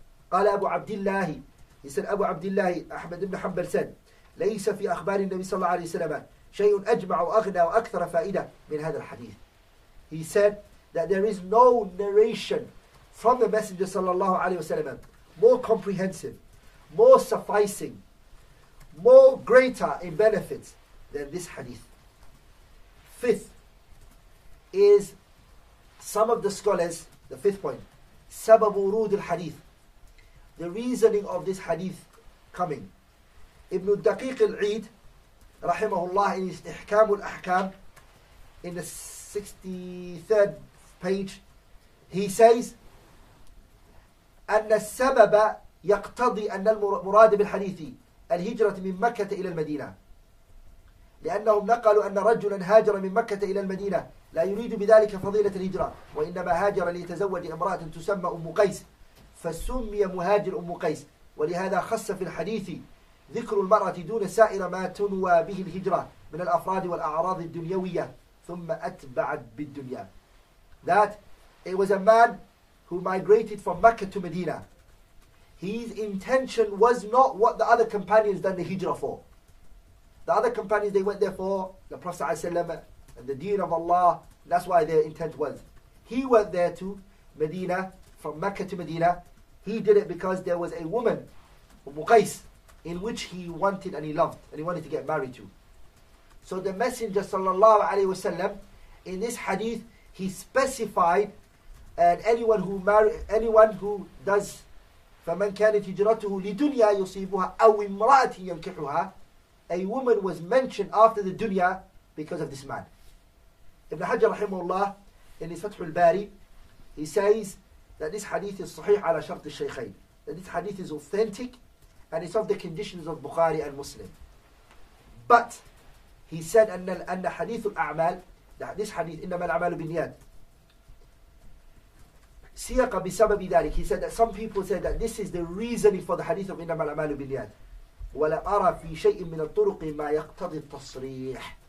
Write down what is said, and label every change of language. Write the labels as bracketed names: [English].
[Arabic] قَالَ أَبُو عَبْدِ اللَّهِ [English] He said, Abu Abdullah, Ahmad ibn Hanbal said, [Arabic] لَيْسَ فِي أَخْبَارِ النَّبِي صَلَّى اللَّهُ عَلَيْهِ وَسَلَّمَ شَيْءٌ أَجْمَعُ وَأَغْنَى وَأَكْثَرَ فَائِدَةً مِنْ هَذَا الْحَدِيثِ [English] He said that there is no narration from the Messenger sallallahu alaihi wasallam more comprehensive, more sufficing, more greater in benefits than this hadith. Fifth is some of the scholars, the fifth point, sabab urud al-hadith, the reasoning of this hadith coming. Ibn al-Daqiq al-Eid, rahimahullah, in his Ihkam al-Ahkam, in the 63rd page, he says, [Arabic] أَنَّ السَّبَبَ يَقْتَضِي أَنَّ الْمُرَادِ بِالْحَدِيثِ الْهِجْرَةِ مِنْ مَكَّةَ إِلَى الْمَدِينَةِ لأنهم نقلوا أن رجلاً هاجر من مكة إلى المدينة لا يريد بذلك فضيلة الهجرة وإنما هاجر ليتزوج امرأة تسمى أم قيس فسمي مهاجر أم قيس ولهذا خص في الحديث ذكر المرأة دون سائر ما تنوى به الهجرة من الأفراد والأعراض الدنيوية ثم أتبعت بالدنيا. [English] That it was a man who migrated from Mecca to Medina. His intention was not what the other companions done the hijrah for. The other companions they went there for the Prophet ﷺ and the Deen of Allah. That's why their intent was. He went there to Medina from Mecca to Medina. He did it because there was a woman, Ummu Qais, in which he wanted and he loved and he wanted to get married to. So the Messenger sallallahu alayhi wa sallam, in this hadith, he specified and anyone who does [Arabic] فَمَنْ كَانَتْ هِجْرَتُهُ لِدُنْيَا يُصِيبُهَا أَوْ إِمْرَأَةٍ يَنْكِحُهَا [English] A woman was mentioned after the dunya because of this man. Ibn Hajar rahimahullah, in his Fathul Bari, he says that this hadith is [Arabic] صحيح على شرط الشيخين. [English] That this hadith is authentic and it's of the conditions of Bukhari and Muslim. But he said [Arabic] أن حديث الأعمال [English] this hadith [Arabic] إنما الأعمال بالنيات سيقى بسبب ذلك. [English] He said that some people said that this is the reasoning for the hadith of [Arabic] إنما الأعمال بالنيات. ولا أرى في شيء من الطرق ما يقتضي التصريح.